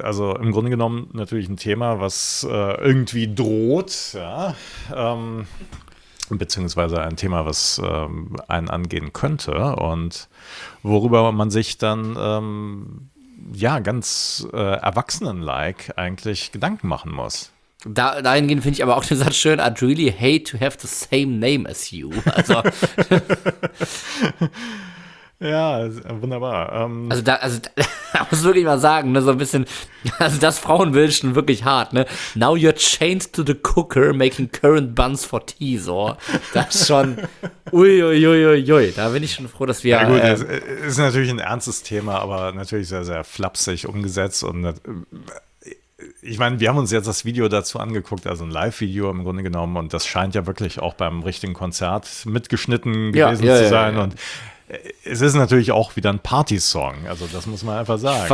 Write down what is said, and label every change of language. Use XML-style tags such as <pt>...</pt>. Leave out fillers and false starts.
<de>Also im Grunde genommen natürlich ein Thema, was irgendwie droht, ja, beziehungsweise ein Thema, was einen angehen könnte und worüber man sich dann ganz erwachsenen-like eigentlich Gedanken machen muss. Dahingehend finde ich aber auch den Satz schön,</de> <en>I'd really hate to have the same name as you.</en> <de>Also ja, wunderbar. Also da muss ich wirklich mal sagen, ne, so ein bisschen, also das Frauenbild schon wirklich hart, ne?</de> <en>Now you're chained to the cooker, making currant buns for tea, so.</en> <de>Das schon, uiuiuiuiui, da bin ich schon froh, dass wir. Ja gut, das ist natürlich ein ernstes Thema, aber natürlich sehr, sehr flapsig umgesetzt und ich meine, wir haben uns jetzt das Video dazu angeguckt, also ein Live-Video im Grunde genommen und das scheint ja wirklich auch beim richtigen Konzert mitgeschnitten gewesen sein und es ist natürlich auch wieder ein Party-Song, also das muss man einfach sagen.</de>